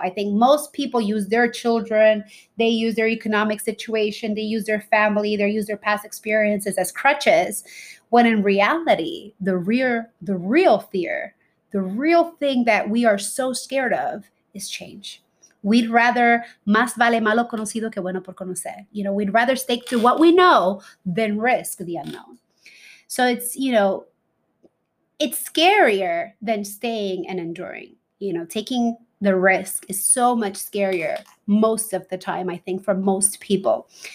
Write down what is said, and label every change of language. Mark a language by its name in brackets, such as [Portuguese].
[English] I think most people use their children, they use their economic situation, they use their family, they use their past experiences as crutches, when in reality, the real fear, the real thing that we are so scared of is change. We'd rather, [Spanish] más vale malo conocido que bueno por conocer. [English] You know, we'd rather stick to what we know than risk the unknown. So it's, you know, it's scarier than staying and enduring. you know, taking the risk is so much scarier most of the time, I think, for most people.